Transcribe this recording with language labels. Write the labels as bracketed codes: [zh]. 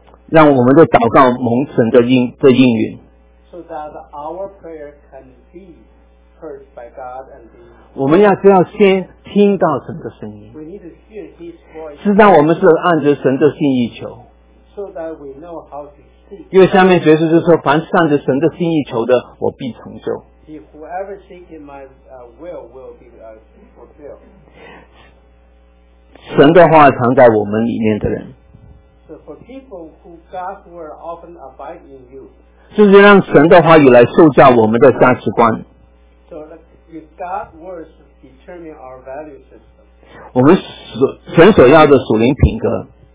[zh] 让我们的祷告蒙神的应允。 [en] So that our prayer can be heard by God and be. [zh] 我们要知道先听到神的声音。 [en] We need to hear His voice. [zh] 是让我们是按着神的心意求。 [en] So that we know how to speak. [zh] 因为下面耶稣就说：“凡是按着神的心意求的，我必成就。” [en] Whoever seeks my will be fulfilled. [zh] 神的话藏在我们里面的人。 [en] So for people who God's word often abide in you. [zh] 就是让神的话语来塑造我们的价值观。 [en] So if God's words determine our value system. [zh] 我们神所要的属灵品格。